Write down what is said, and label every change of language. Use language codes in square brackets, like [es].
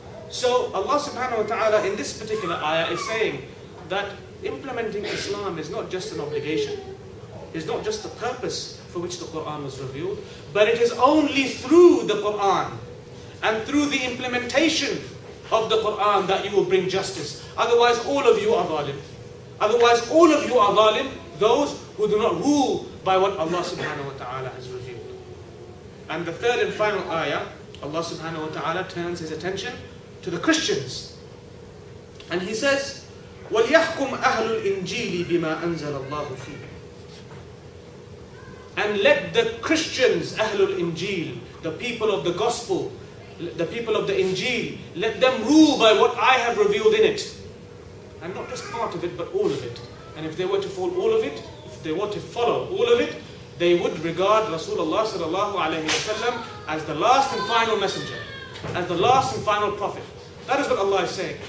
[en] So Allah subhanahu wa ta'ala in this particular ayah is saying that implementing Islam is not just an obligation, is not just the purpose for which the Quran was revealed, but it is only through the Quran and through the implementation of the Quran that you will bring justice. Otherwise, all of you are zalim. Otherwise, all of you are zalim, those who do not rule by what Allah subhanahu wa ta'ala has revealed. And the third and final ayah, Allah subhanahu wa ta'ala turns his attention to the Christians. And he says, [ar] وَلْيَحْكُمْ أَهْلُ الْإِنْجِيلِ بِمَا أَنزَلَ اللَّهُ فِيهِ. [en] And let the Christians, Ahlul Injil, the people of the Gospel, the people of the Injil, let them rule by what I have revealed in it. And not just part of it, but all of it. And if they were to follow all of it, if they were to follow all of it, they would regard Rasulullah sallallahu alayhi wa sallam as the last and final messenger, as the last and final prophet. That is what Allah is saying.